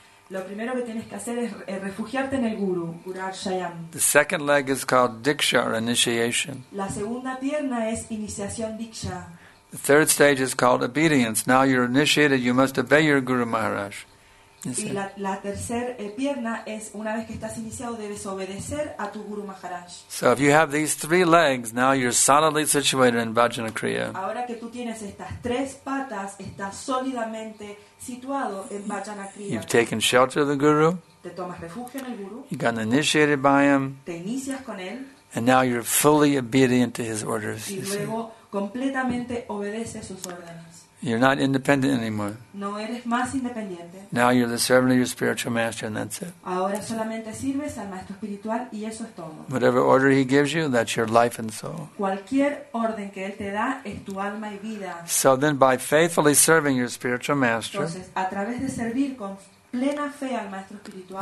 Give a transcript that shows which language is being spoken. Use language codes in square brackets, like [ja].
[es] Lo primero que tienes que hacer es refugiarte en el guru, gurashrayam. [en] The second leg is called diksha or initiation. [es] La segunda pierna es iniciación diksha. [en] The third stage is called obedience. Now you're initiated, you must obey your guru Maharaj. [es] Y la tercera pierna es una vez que estás iniciado debes obedecer a tu guru Maharaj. [en] So if you have these three legs, now you're solidly situated in Bhajana Kriya. [es] Ahora que tú tienes estas tres patas, estás sólidamente situado en Bhajana Kriya. [en] You've taken shelter of the guru. [es] Te tomas refugio en el guru. [en] You've gotten initiated by him. [es] Te inicias con él. [en] And now you're fully obedient to his orders. [es] Y luego completamente obedece sus órdenes. [en] You're not independent anymore. [es] No eres más independiente. [en] Now you're the servant of your spiritual master, and that's it. [es] Ahora solamente sirves al maestro espiritual y eso es todo. [en] Whatever order he gives you, that's your life and soul. [es] Cualquier orden que él te da es tu alma y vida. [en] So then, by faithfully serving your spiritual master, [es] entonces a través de servir con plena fe al maestro espiritual,